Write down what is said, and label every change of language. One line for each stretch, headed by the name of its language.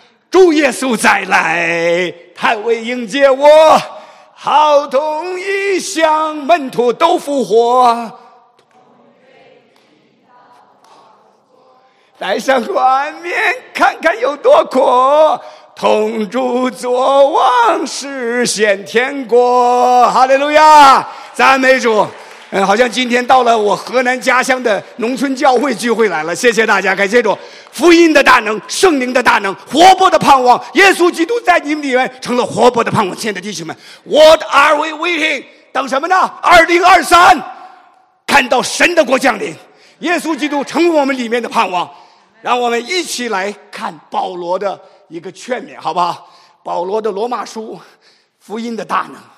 Chinese: 主耶稣再来，他为迎接我，好同一乡门徒都复活，戴上冠冕看看有多阔，同住作王实现天国。哈利路亚，赞美主。好像今天到了我河南家乡的农村教会聚会来了，谢谢大家，感谢主。福音的大能，圣灵的大能，活泼的盼望，耶稣基督在你们里面成了活泼的盼望。亲爱的弟兄们，
English: What are we waiting?
Chinese: 等什么呢？ 2023看到神的国降临，耶稣基督成为我们里面的盼望。让我们一起来看保罗的一个劝勉，好不好？保罗的罗马书，福音的大能。